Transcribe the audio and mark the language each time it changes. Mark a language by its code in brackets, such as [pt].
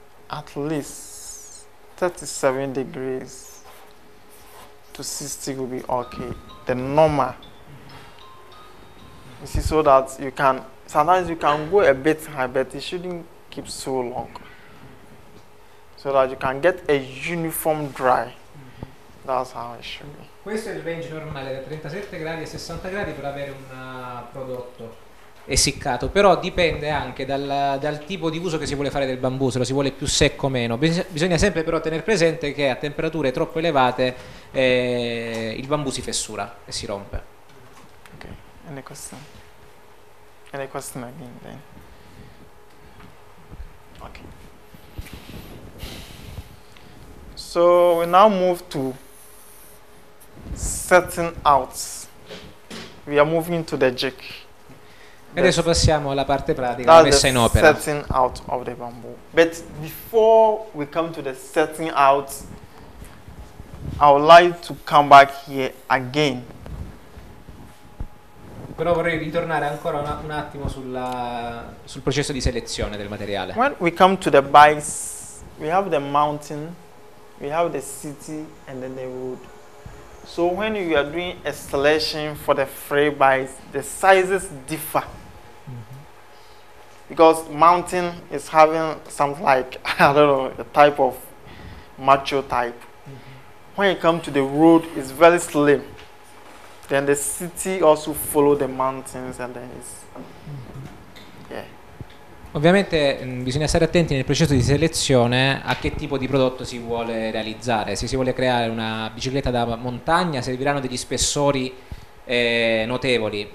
[en] At least 37 degrees to 60 will be okay. The normal. You see, so that you can, sometimes you can go a bit high, but it shouldn't keep so long. So that you can get a uniform dry. That's how it should be. [it] Questo è il range normale da 37 gradi a 60 gradi per avere un prodotto essiccato, però dipende anche dal tipo di uso che si vuole fare del bambù, se lo si vuole più secco o meno. Bisogna sempre però tenere presente che a temperature troppo elevate il bambù si fessura e si rompe. [en] Ok, any question? Any question again then? Ok. So we now move to setting out. We are moving to the jig. [it] E adesso passiamo alla parte pratica, la messa in opera. [en] Setting out of the bamboo. But before we come to the setting out, I would like to come back here again. [it] Però vorrei ritornare ancora un attimo sul processo di selezione del materiale. [en] When we come to the bikes, we have the mountain, we have the city, and then the road. So when you are doing a selection for the free bikes, the sizes differ. Because mountain is having something like, I don't know, a type of macho type. Mm-hmm. When you come to the road, it's very slim. Then the city also follow the mountains and then it's, yeah. [it] Ovviamente bisogna stare attenti nel processo di selezione a che tipo di prodotto si vuole realizzare. Se si vuole creare una bicicletta da montagna, serviranno degli spessori notevoli.